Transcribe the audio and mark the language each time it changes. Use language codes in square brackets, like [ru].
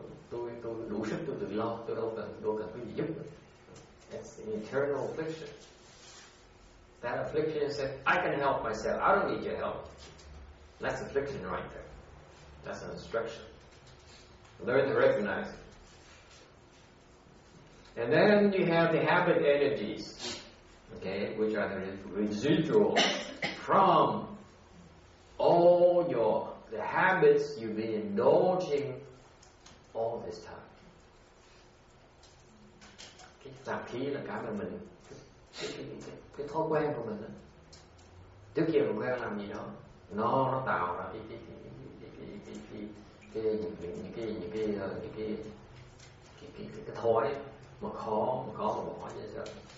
[vi] Tôi đủ sức tôi tự lo, tôi đâu cần quý vị giúp. [en] That's an internal affliction. That affliction is that I can help myself, I don't need your help. That's affliction right there. That's an instruction. Learn to recognize it. And then you have the habit energies. Okay, which are the residual from all the habits you've been indulging all this time. [vi] Cái tạp khí là cái mà mình cái thói quen của mình đó. Trước kia mình quen làm gì đó, nó tạo ra cái thói mà khó mà bỏ như thế.